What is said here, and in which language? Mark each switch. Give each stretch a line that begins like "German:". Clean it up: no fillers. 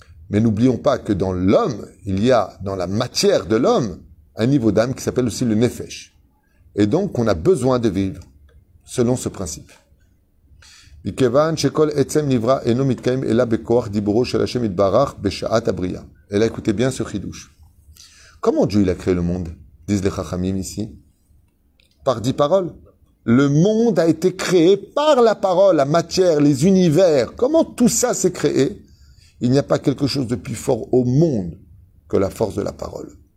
French: Mais n'oublions pas que dans l'homme, il y a, dans la matière de l'homme, un niveau d'âme qui s'appelle aussi le nefesh. Et donc, on a besoin de vivre selon ce principe.
Hebrew: מכיוון שכל עצם נברא אינו מתקיים אלא בכוח דיבורו של השם יתברך בשעת הבריאה.
French: אלא écoutez bien ce חידוש. Comment Dieu il a créé le monde? Disent les Chachamim ici. Par 10 paroles. Le monde a été créé par la parole, la matière, les univers. Comment tout ça s'est créé? Il n'y a pas quelque chose de plus fort au monde que la force de la parole.